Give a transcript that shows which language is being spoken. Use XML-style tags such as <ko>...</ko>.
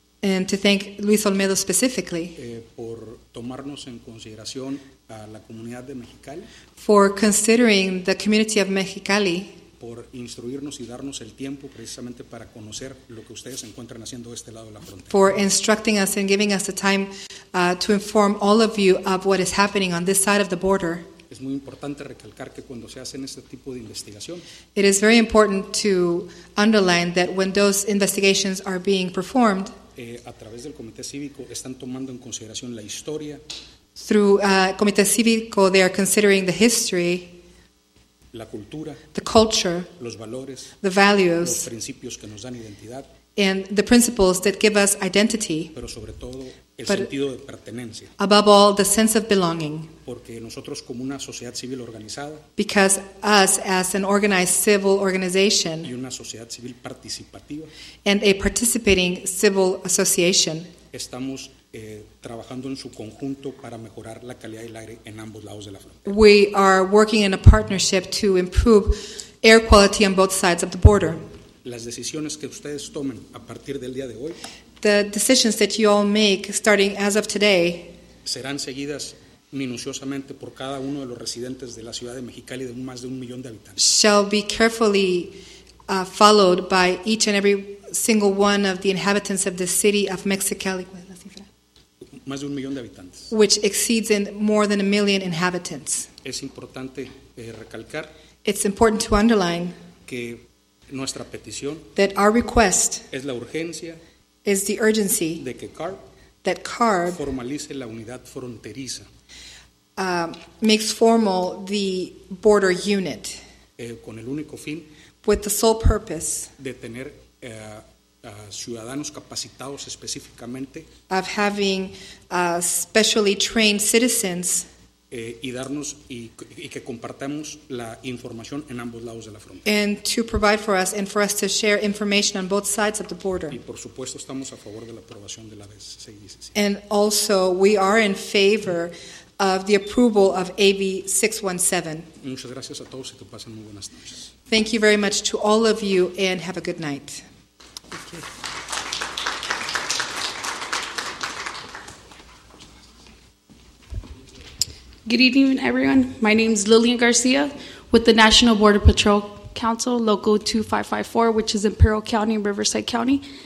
<en>And to thank Luis Olmedo specifically.</en> <es>Por tomarnos en consideración a la comunidad de Mexicali.</es> <en>For considering the community of Mexicali.</en> <es>Por instruirnos y darnos el tiempo precisamente para conocer lo que ustedes encuentran haciendo de este lado de la frontera.</es> <en>For instructing us and giving us the time to inform all of you of what is happening on this side of the border.</en> <es>Es muy importante recalcar que cuando se hacen este tipo de investigación.</es> <en>It is very important to underline that when those investigations are being performed.</en> <es>a través del Comité Cívico están tomando en consideración la historia.</es> <en>Through Comité Cívico, they are considering the history,</en> <es>la cultura,</es> <en>the culture,</en> <es>los valores,</es> <en>the values,</en> <es>los principios que nos dan identidad,</es> <en>and the principles that give us identity,</en> <es>pero sobre todo el sentido de pertenencia,</es> <en>above all the sense of belonging,</en> <es>porque nosotros como una sociedad civil organizada,</es> <en>because us as an organized civil organization,</en> <es>y una sociedad civil participativa,</es> <en>and a participating civil association,</en> <es>estamos trabajando en su conjunto para mejorar la calidad del aire en ambos lados de la frontera.</es> <en>We are working in a partnership to improve air quality on both sides of the border.</en> <es>Las decisiones que ustedes tomen a partir del día de hoy,</es> <en>the decisions that you all make starting as of today,</en> <es>serán seguidas minuciosamente por cada uno de los residentes de la ciudad de Mexicali de más de 1,000,000 de habitantes.</es> <en>Shall be carefully followed by each and every single one of the inhabitants of the city of Mexicali.</en> <es>Más de 1,000,000 de habitantes.</es> <en>Which exceeds in more than 1,000,000 inhabitants.</en> <es>Es importante recalcar.</es> <en>It's important to underline</en> <es>que nuestra petición,</es> <en>that our request,</en> <es>es la urgencia,</es> <en>is the urgency,</en> <es>de que CARB,</es> <en>that CARB</en> <es>formalice la unidad fronteriza,</es> <en>makes formal the border unit,</en> <es>con el único fin,</es> <en>with the sole purpose,</en> <es>de tener ciudadanos capacitados específicamente,</es> <en>of having specially trained citizens,</en> <es>y darnos y que compartamos la información en ambos lados de la frontera.</es> <en>And to provide for us and for us to share information on both sides of the border.</en> <es>Y por supuesto estamos a favor de la aprobación de la 617.</es> <en>And also we are in favor of the approval of AB 617.</en> <es>Muchas gracias a todos y que pasen muy buenas noches.</es> <en>Thank you very much to all of you and have a good night. Thank you. Good evening, everyone. My name is Lillian Garcia with the National Border Patrol Council, Local 2554, which is Imperial County and Riverside County.</en>